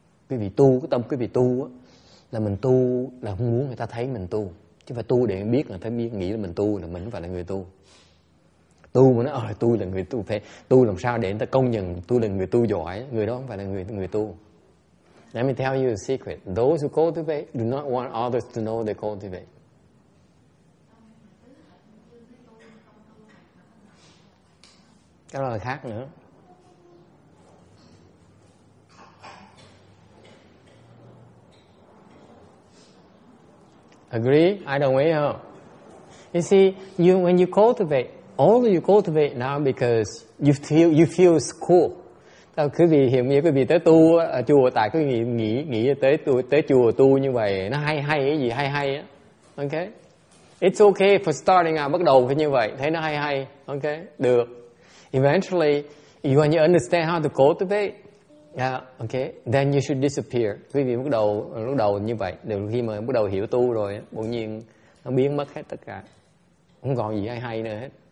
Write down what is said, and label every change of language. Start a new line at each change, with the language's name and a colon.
Vietnamese: Quý vị tu, cái tâm quý vị tu á, là mình tu là không muốn người ta thấy mình tu. Chứ phải tu để biết là thấy biết, nghĩ là mình tu là mình không phải là người tu. Tu mà nói, ôi tôi là người tu, phải tu làm sao để người ta công nhận tôi là người tu giỏi, người đó không phải là người tu.
English: Let me tell you a secret. Those who cultivate do not want others to know they cultivate.
Vietnamese: Cái đó là khác nữa.
English: Agree? I don't agree. Huh? You see, when you cultivate, all you cultivate now because you feel cool.
Vietnamese: Tao cứ vì hiểu nghĩa, cứ vì tới tu ở chùa, tại cứ nghĩ tới chùa tu như vậy nó hay cái gì hay á. Okay.
English: It's okay for starting out,
Vietnamese: bắt đầu phải như vậy, thấy nó hay. Okay. Được.
English: Eventually, when you understand how to cultivate, yeah, okay, then you should disappear.
Vietnamese: Quý vị bắt đầu như vậy, đều khi mà bắt đầu hiểu tu rồi, bỗng nhiên nó biến mất hết tất cả, không còn gì hay nữa hết.